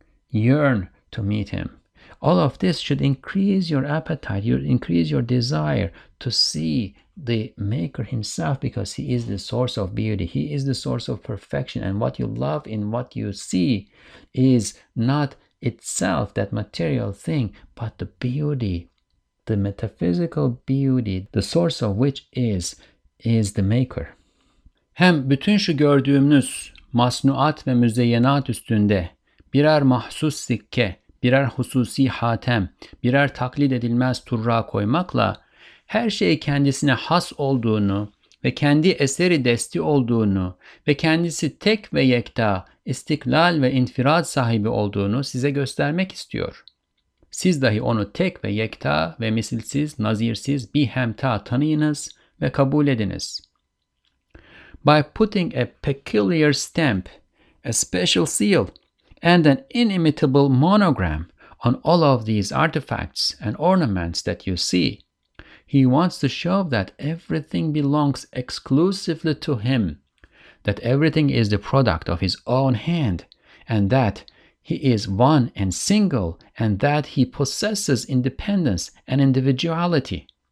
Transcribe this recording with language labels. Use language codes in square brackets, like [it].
[en] Yearn to meet him. All of this should increase your appetite, increase your desire to see the maker himself, because he is the source of beauty. He is the source of perfection. And what you love in what you see is not itself, that material thing, but the beauty, the metaphysical beauty, the source of which is the maker. [tr] Hem bütün şu gördüğümüz masnuat ve müzeyyenat üstünde birer mahsus sikke, birer hususi hatem, birer taklit edilmez turra koymakla her şeyi kendisine has olduğunu ve kendi eseri desti olduğunu ve kendisi tek ve yekta, istiklal ve infirat sahibi olduğunu size göstermek istiyor. Siz dahi onu tek ve yekta ve misilsiz, nazirsiz, bihemta tanıyınız ve kabul ediniz. [en] By putting a peculiar stamp, a special seal, and an inimitable monogram on all of these artifacts and ornaments that you see, he wants to show that everything belongs exclusively to him, that everything is the product of his own hand, and that he is one and single, and that he possesses independence and individuality.